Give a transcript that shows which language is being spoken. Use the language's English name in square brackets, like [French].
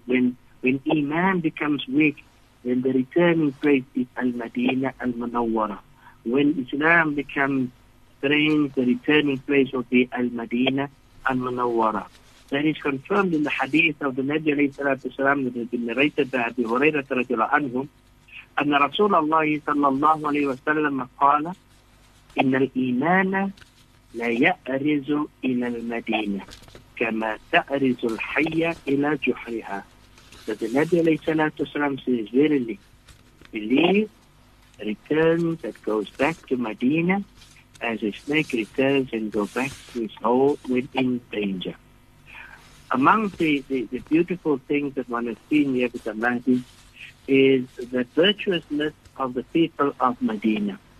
[English] When Iman becomes weak, then the returning place is Al-Madina al-Munawwara. When Islam becomes strange, the returning place will be Al-Madina al-Munawwara. That is confirmed in the hadith of the Nabi alayhi salatu wasalam that has been narrated by Abu Huraira radiallahu anhu. [Arabic] أن رسول الله صلى الله عليه وسلم قال إن الإيمان لا يأرز إلى المدينة كما تأرز الحية إلى جحرها. [English] That the Nabi عليه السلام says verily, belief returns and goes back to Medina as a snake returns and goes back to its hole when in danger. Among the beautiful things that one has seen here with the Mahdi is the virtuousness of the people of Medina.